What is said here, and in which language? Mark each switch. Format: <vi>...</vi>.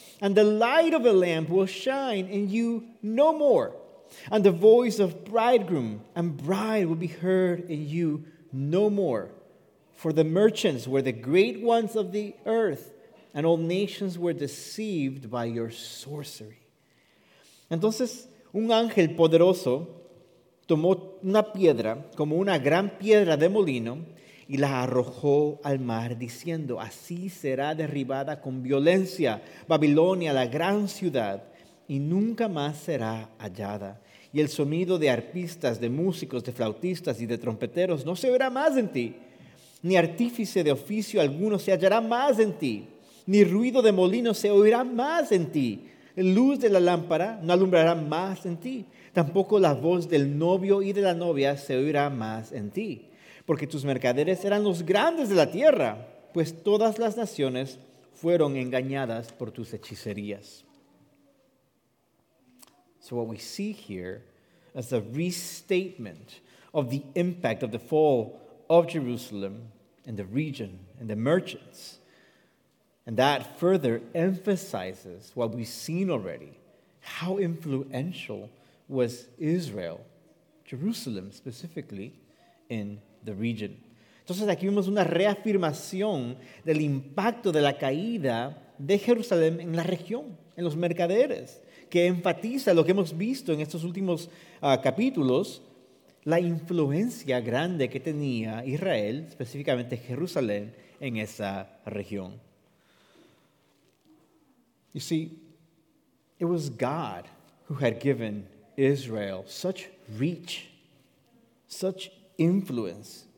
<en>And the light of a lamp will shine in you no more. And the voice of bridegroom and bride will be heard in you no more. For the merchants were the great ones of the earth, and all nations were deceived by your sorcery.</en> <es>Entonces, un ángel poderoso tomó una piedra, como una gran piedra de molino, y la arrojó al mar, diciendo, así será derribada con violencia Babilonia, la gran ciudad, y nunca más será hallada. Y el sonido de arpistas, de músicos, de flautistas y de trompeteros no se verá más en ti, ni artífice de oficio alguno se hallará más en ti, ni ruido de molino se oirá más en ti, luz de la lámpara no alumbrará más en ti. Tampoco la voz del novio y de la novia se oirá más en ti, porque tus mercaderes eran los grandes de la tierra, pues todas las naciones fueron engañadas por tus hechicerías.</es> <en>So what we see here is a restatement of the impact of the fall of Jerusalem and the region and the merchants. And that further emphasizes what we've seen already, how influential was Israel, Jerusalem specifically, in the region.</en> <es>Entonces aquí vemos una reafirmación del impacto de la caída de Jerusalén en la región, en los mercaderes, que enfatiza lo que hemos visto en estos últimos capítulos, la influencia grande que tenía Israel, específicamente Jerusalén, en esa región.</es> <en>You see, it was God who had given Israel such reach, such influence.</en>